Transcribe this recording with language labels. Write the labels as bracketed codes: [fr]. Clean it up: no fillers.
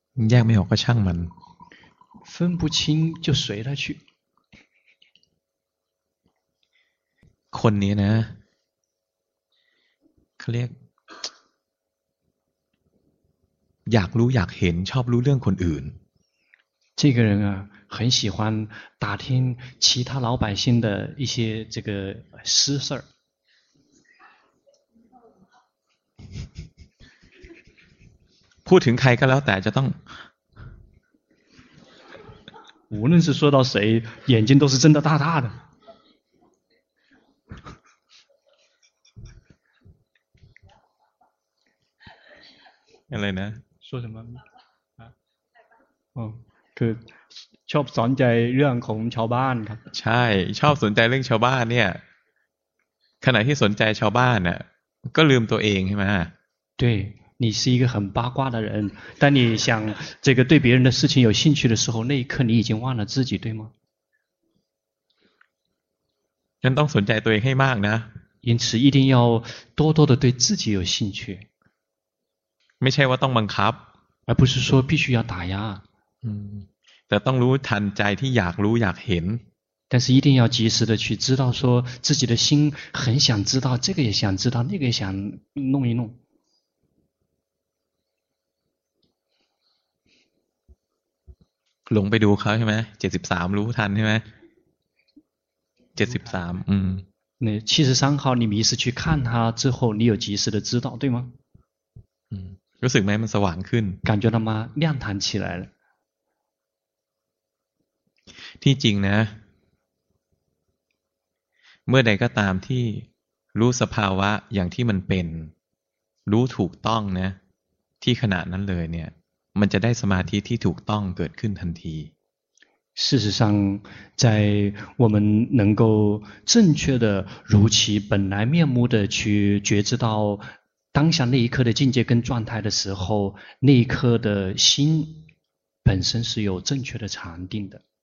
[th] แยกไม่ออกก็ช่างมัน [zh] 分不清就随他去 [th] คนนี้นะเขาเรียกอยากรู้อยากเห็นชอบรู้เรื่องคนอื่น [zh] 这个人啊很喜欢打听其他老百姓的一些这个私事儿 [th] พูดถึงใครก็แล้วแต่จะต้อง [zh] 无论是说到谁眼睛都是睁得大大的 [th] อะไรนะ [zh] 说什么啊哦 [th] คือชอบสนใจเรื่องของชาวบ้านครับ ใช่ชอบสนใจเรื่องชาวบ้านเนี่ยขณะที่สนใจชาวบ้านน่ะก็ลืมตัวเองใช่มั้ย [zh] 对你是一个很八卦的人但你想这个对别人的事情有兴趣的时候那一刻你已经忘了自己对吗 [th] ฉันต้องสนใจตัวเองให้มากนะ [zh] 因此一定要多多的对自己有兴趣 [th] ไม่ใช่ว่าต้องบังคับ [zh] 而不是说必须要打压 [th] แต่ต้องรู้ทันใจที่อยากรู้อยากเห็น [zh] 但是一定要及时的去知道说自己的心很想知道这个也想知道那个也想弄一弄 [th] ลงไปดูเขาใช่ไหม73รู้ทันใช่ไหม73 [zh] 那73号你迷失去看他之后你有及时的知道对吗 [th] รู้สึกไหมมันสว่างขึ้น [zh] 感觉到吗亮堂起来了 [th] ที่จริงนะเมื่อใดก็ตามที่รู้สภาวะอย่างที่มันเป็นรู้ถูกต้องนะที่ขณะนั้นเลยเนี่ยมันจะได้สมาธิที่ถูกต้องเกิดขึ้นทันที [zh] 事实上在我们能够正确的如其本来面目的去觉知到当下那一刻的境界跟状态的时候那一刻的心本身是有正确的禅定的